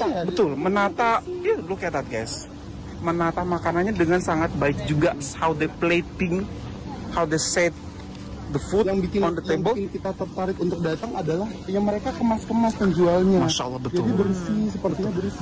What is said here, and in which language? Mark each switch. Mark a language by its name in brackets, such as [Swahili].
[Indonesian] Betul, menata, [English] look at that guys. [Indonesian] Menata makanannya dengan sangat baik juga. [English] How they plating, how they set the food on the table. [Indonesian] Yang bikin kita tertarik untuk datang adalah yang mereka kemas-kemas penjualnya. Masya Allah, betul. Jadi bersih, sepertinya bersih.